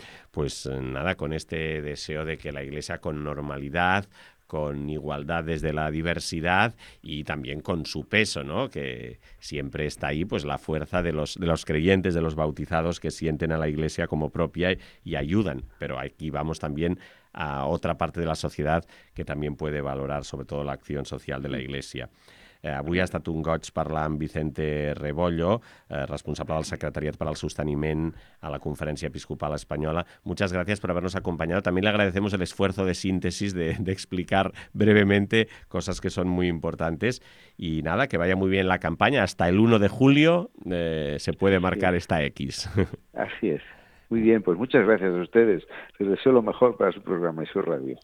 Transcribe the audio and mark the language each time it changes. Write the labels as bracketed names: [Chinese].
[Spanish] Pues nada, con este deseo de que la Iglesia con normalidad, con igualdad desde la diversidad y también con su peso, ¿no? Que siempre está ahí, pues la fuerza de los creyentes, de los bautizados que sienten a la Iglesia como propia y ayudan. Pero aquí vamos también a otra parte de la sociedad que también puede valorar sobre todo la acción social de la Iglesia. [Catalan] Avui ha estat un goig parlar amb Vicente Rebollo, responsable del Secretariat per al Sosteniment a la Conferència Episcopal Espanyola. [Spanish] Muchas gracias por habernos acompañado. También le agradecemos el esfuerzo de síntesis de explicar brevemente cosas que son muy importantes. Y nada, que vaya muy bien la campaña. Hasta el 1 de julio se puede marcar esta X. Así es. Muy bien, pues muchas gracias a ustedes. Les deseo lo mejor para su programa y su radio.